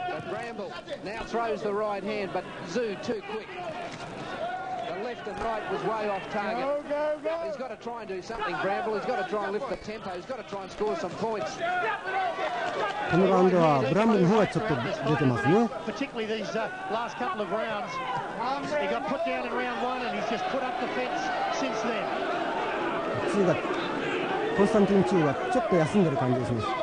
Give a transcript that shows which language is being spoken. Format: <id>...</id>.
<en>Bramble now throws the right hand, but Zou too quick. The left and right was way off target. He's got to try and do something, Bramble. He's got to try and lift the tempo. He's got to try and score some points.</en> <ja>このラウンドはブランブルの方がちょっと出てますね。</ja> <en>Particularly these last couple of rounds, he got put down in round one, and he's just put up the fence since then.</en> <ja>コンスタンティン中はちょっと休んでる感じですね。</ja>